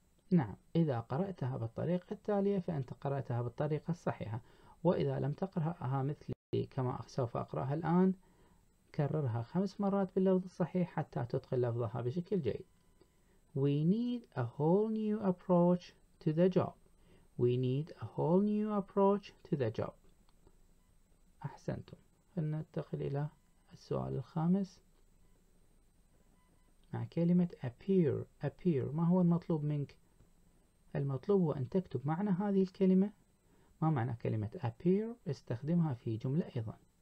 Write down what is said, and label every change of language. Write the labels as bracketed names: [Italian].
[Arabic] نعم، إذا قرأتها بالطريقة التالية فأنت قرأتها بالطريقة الصحيحة، وإذا لم تقرأها مثلي كما سوف أقرأها الآن، كررها 5 مرات باللفظ الصحيح حتى تتقن لفظها بشكل جيد. [English] We need a whole new approach to the job. We need a whole new approach to the job. [Arabic] أحسنتم. فلننتقل إلى السؤال الخامس، مع كلمة appear. ما هو المطلوب منك؟ المطلوب هو أن تكتب معنى هذه الكلمة، ما معنى كلمة appear، استخدمها في جملة أيضا.